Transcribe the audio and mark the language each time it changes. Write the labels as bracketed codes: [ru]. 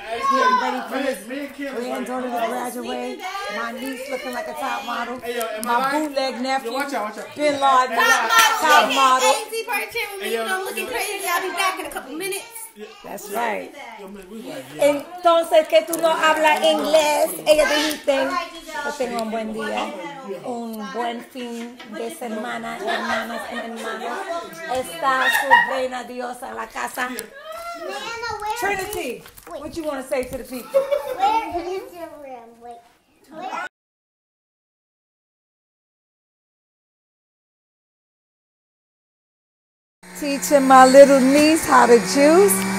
[en] Getting ready for his granddaughter to graduate. My niece looking like a top model. My bootleg nephew. Watch out. Bin Laden. Top model. AZ Part 10 with me. I'm looking crazy. I'll be back in a couple minutes. That's right. [es] Entonces, que tú no hablas inglés. Ella dijiste que tenga un buen día. Un buen fin de semana, hermanos y hermanas. Está su reina diosa en la casa. [en] Nana, where Trinity, is, wait, what you want to say to the people? Where is your room? Where? Teaching my little niece how to juice.